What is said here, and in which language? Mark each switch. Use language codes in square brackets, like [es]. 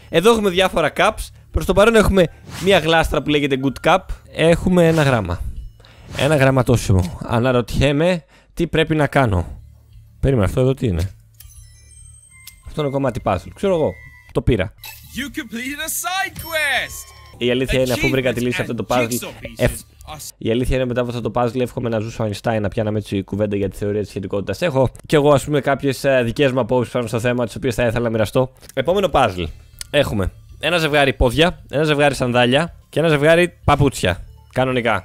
[el] Εδώ έχουμε διάφορα cups. Προς το παρόν έχουμε μία γλάστρα που λέγεται Good Cup. Έχουμε ένα γράμμα. Ένα γραμματόσημο. Αναρωτιέμαι τι πρέπει να κάνω. Περίμενε, αυτό εδώ τι είναι? Αυτό είναι κομμάτι puzzle. Ξέρω εγώ. Το πήρα. [en] You completed a side quest. [el] Η αλήθεια είναι, αφού βρήκα τη λύση αυτό το puzzle. Η αλήθεια είναι, μετά από αυτό το puzzle, εύχομαι να ζούσε ο Αϊνστάιν, να πιάναμε έτσι κουβέντα για τη θεωρία της σχετικότητας. Έχω κι εγώ, ας πούμε, κάποιες δικές μου απόψεις πάνω στο θέμα, τις οποίες θα ήθελα να μοιραστώ. Επόμενο puzzle. Έχουμε ένα ζευγάρι πόδια, ένα ζευγάρι σανδάλια και ένα ζευγάρι παπούτσια. Κανονικά.